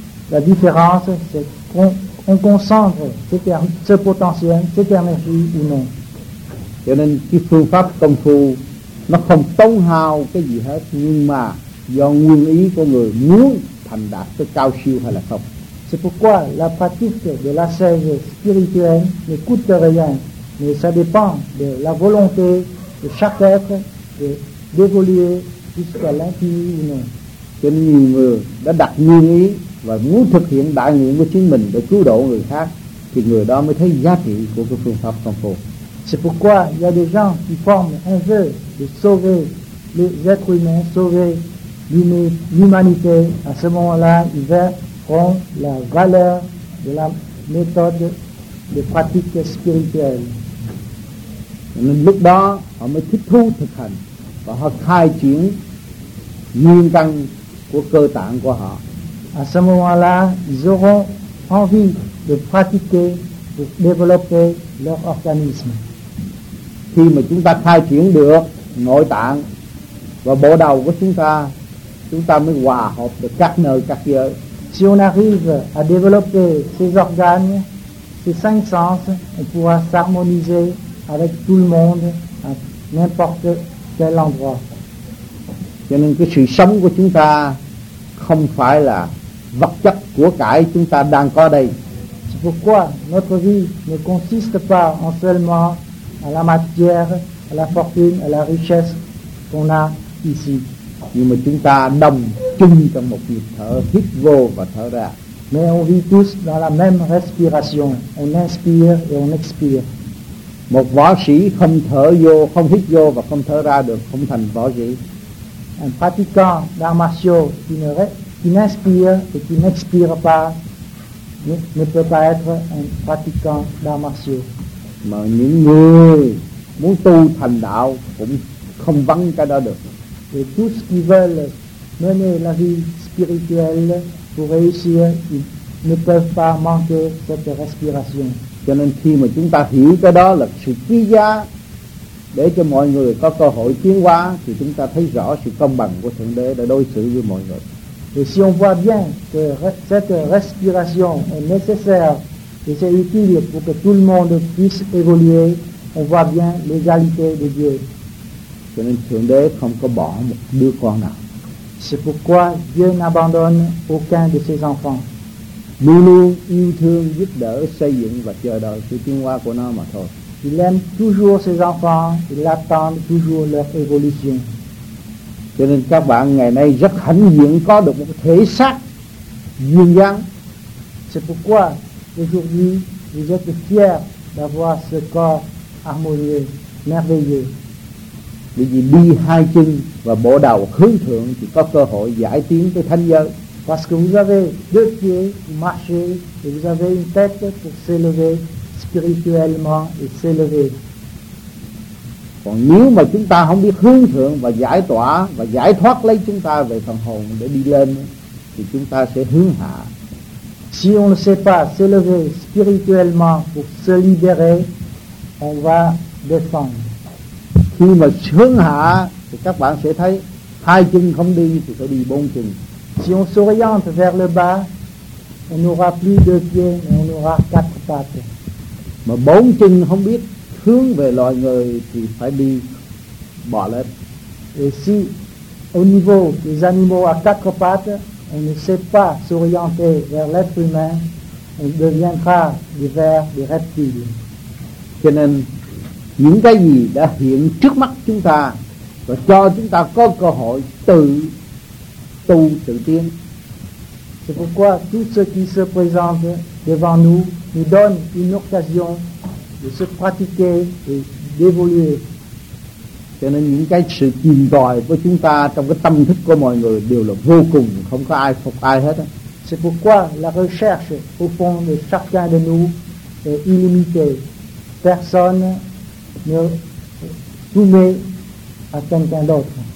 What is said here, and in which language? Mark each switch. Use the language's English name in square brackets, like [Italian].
[French] La différence, c'est qu'on concentre ce potentiel, cette énergie ou non. [Vietnamese] Cho nên cái phương pháp công phu nó không tốn hao cái gì hết, nhưng mà do nguyên ý của người muốn thành đạt tới cao siêu hay là không. [French] C'est pourquoi la pratique de la sagesse spirituelle ne coûte rien, mais ça dépend de la volonté de chaque être d'évoluer jusqu'à l'infini ou non. [Vietnamese] Cho nên nhiều người đã đặt nguyên ý và muốn thực hiện đại nguyện của chính mình để cứu độ người khác, thì người đó mới thấy giá trị của cái phương pháp công phu. [French] C'est pourquoi il y a des gens qui forment un vœu de sauver les êtres humains, sauver l'humanité. À ce moment-là, ils verront la valeur de la méthode de pratique spirituelle. [Vietnamese] Nên lúc đó, họ mới thích thú thực hành và họ khai triển nguyên căn của cơ tạng của họ. [French] À ce moment-là, ils auront envie de pratiquer, de développer leur organisme. [Vietnamese] Khi mà chúng ta khai triển được nội tạng và bộ đầu của chúng ta mới hòa hợp được các nơi các giới. [French] Si on arrive à développer ces organes, ces cinq sens, on pourra s'harmoniser avec tout le monde à n'importe quel endroit. [Vietnamese] Cho nên cái sự sống của chúng ta không phải là vật chất của cải chúng ta đang có đây. [French] C'est pourquoi notre vie ne consiste pas en seulement à la matière, à la fortune, à la richesse qu'on a ici. [Vietnamese] Nhưng mà chúng ta đồng chung trong một nhịp thở, hít vô và thở ra. [French] Mais on vit tous dans la même respiration. On inspire et on expire. [Vietnamese] Một võ sĩ không thở vô, không hít vô và không thở ra được, không thành võ sĩ. [French] Un pratiquant d'arts martiaux qui n'inspire et qui n'expire pas ne peut pas être un pratiquant d'arts martiaux. [Vietnamese] Mà những người muốn tu thành đạo cũng không vắng cái đó được. [French] Et tous qui veulent mener la vie spirituelle pour réussir, ils ne peuvent pas manquer cette respiration. [Vietnamese] Cho nên khi mà chúng ta hiểu cái đó là sự quý giá để cho mọi người có cơ hội tiến hóa, thì chúng ta thấy rõ sự công bằng của Thượng Đế đã đối xử với mọi người. [French] Et si on voit bien que cette respiration est nécessaire et c'est utile pour que tout le monde puisse évoluer, on voit bien l'égalité de Dieu. [Vietnamese] Cho nên Thượng Đế không có bỏ một đứa con nào. [French] C'est pourquoi Dieu n'abandonne aucun de ses enfants. [Vietnamese] Luôn luôn yêu thương, giúp đỡ, xây dựng và chờ đợi sự tiến hóa của nó mà thôi. [French] Il aime toujours ses enfants, il attend toujours leur évolution. [Vietnamese] Cho nên các bạn ngày nay rất hãnh diện có được một thể xác duyên dáng. [French] C'est pourquoi aujourd'hui, vous êtes fiers d'avoir ce corps harmonieux, merveilleux. [Vietnamese] Bởi vì đi hai chân và bộ đầu hướng thượng thì có cơ hội giải tiến tới thánh giới. [French] Parce que vous avez deux pieds pour marcher et vous avez une tête pour s'élever spirituellement et s'élever. [Vietnamese] Còn nếu mà chúng ta không biết hướng thượng và giải tỏa và giải thoát lấy chúng ta về phần hồn để đi lên, thì chúng ta sẽ hướng hạ. [French] Si on ne sait pas s'élever spirituellement pour se libérer, on va descendre. [Vietnamese] Khi mà hướng hạ thì các bạn sẽ thấy hai chân không đi thì sẽ đi bốn chân. [French] Si on s'oriente vers le bas, on n'aura plus deux pieds, on aura quatre pattes. [Vietnamese] Mà bốn chân không biết hướng về loài người thì phải đi bò lên. [French] Et si au niveau des animaux à quatre pattes, on ne sait pas s'orienter vers l'être humain, on deviendra des vers, des reptiles. [Vietnamese] Cho nên những cái gì đã hiện trước mắt chúng ta và cho chúng ta có cơ hội tự tu tự tiến. [French] C'est pourquoi tout ce qui se présente devant nous nous donne une occasion de se pratiquer et d'évoluer. [Vietnamese] Cho nên những cái sự tìm tòi của chúng ta trong cái tâm thức của mọi người đều là vô cùng, không có ai phục ai hết. [French] C'est pourquoi la recherche au fond de chacun de nous est illimitée. Personne ne soumet à quelqu'un d'autre.